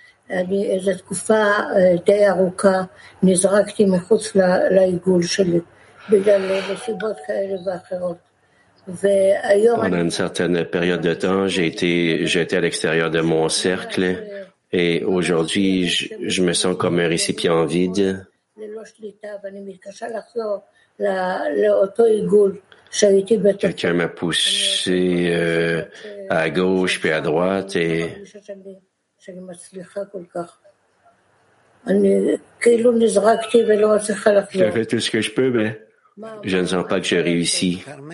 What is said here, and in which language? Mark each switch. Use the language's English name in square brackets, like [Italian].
[Hebrew] אני איזו תקופה די ארוכה נזרקתי מחוץ לעיגול שלי בגלל מסיבות כאלה ואחרות. והיום [French] pendant une certaine période de temps, j'ai été jeté à l'extérieur de mon cercle et aujourd'hui je me sens comme un récipient vide. [Hebrew] ואני מתקשה לחזור לאותו עיגול. [French] Quelqu'un m'a poussé à gauche puis à droite et je fais tout ce que je peux, mais je ne sens pas que je réussis.